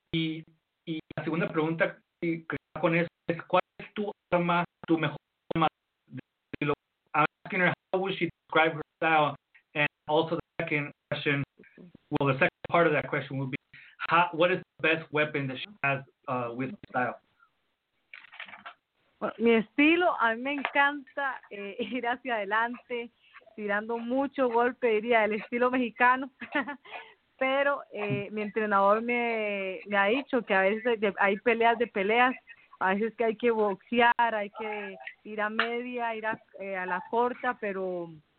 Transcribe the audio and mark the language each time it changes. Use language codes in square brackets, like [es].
[es] Y la segunda pregunta que va con eso es, ¿cuál es tu arma, tu mejor arma de estilo? [en] I'm asking her, how would she describe her style? And also the second question, well, the second part of that question would be, what is the best weapon that she has with style? [es] Well, mi estilo, a mí me encanta ir hacia adelante, tirando mucho golpe, diría, el estilo mexicano. Pero mi entrenador me ha dicho que a veces hay peleas de peleas, a veces que hay que boxear, hay que ir a media, ir a la corta, pero...